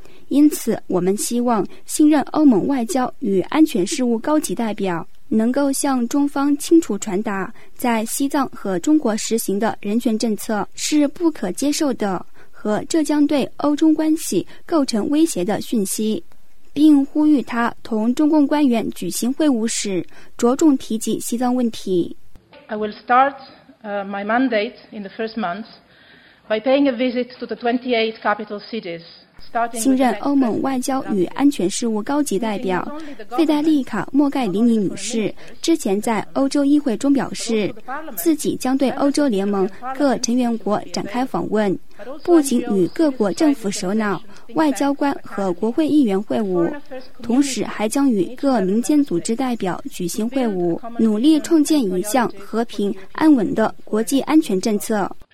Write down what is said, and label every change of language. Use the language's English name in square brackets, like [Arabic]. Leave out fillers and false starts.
[Chinese] 因此我们希望新任欧盟外交与安全事务高级代表能够向中方清楚传达在西藏和中国实行的人权政策是不可接受的和这将对欧中关系构成威胁的讯息，并呼吁他同中共官员举行会晤时着重提及西藏问题。 [English] I will start my mandate in the first month by paying a visit to the 28 capital cities。 [Chinese] 新任欧盟外交与安全事务高级代表费戴丽卡·莫盖里尼女士之前在欧洲议会中表示，自己将对欧洲联盟各成员国展开访问，不仅与各国政府首脑、外交官和国会议员会晤，同时还将与各民间组织代表举行会晤，努力创建一项和平安稳的国际安全政策。